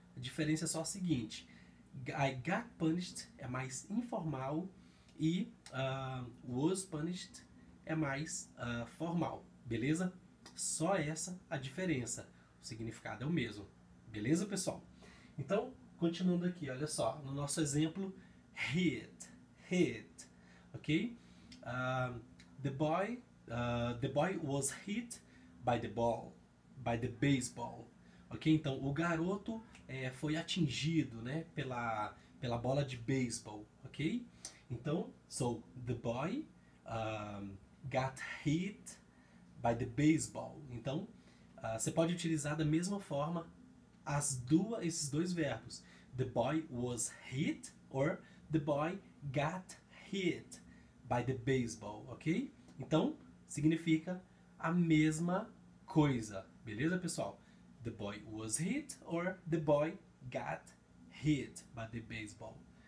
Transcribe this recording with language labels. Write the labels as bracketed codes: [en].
[pt] A diferença é só a seguinte: [en] I got punished [pt] é mais informal e [en] was punished [pt] é mais formal, beleza? Só essa a diferença. O significado é o mesmo, beleza, pessoal? Então, continuando aqui, olha só, no nosso exemplo, hit, hit, ok? [en] The boy was hit by the ball, by the baseball, ok? [pt] Então, o garoto foi atingido, né, pela bola de beisebol, ok? Então, [en] so the boy got hit by the baseball. [pt] Então, você pode utilizar da mesma forma esses dois verbos. [en] The boy was hit or the boy got hit by the baseball, ok? [pt] Então, significa a mesma coisa, beleza, pessoal? [en] The boy was hit or the boy got hit by the baseball.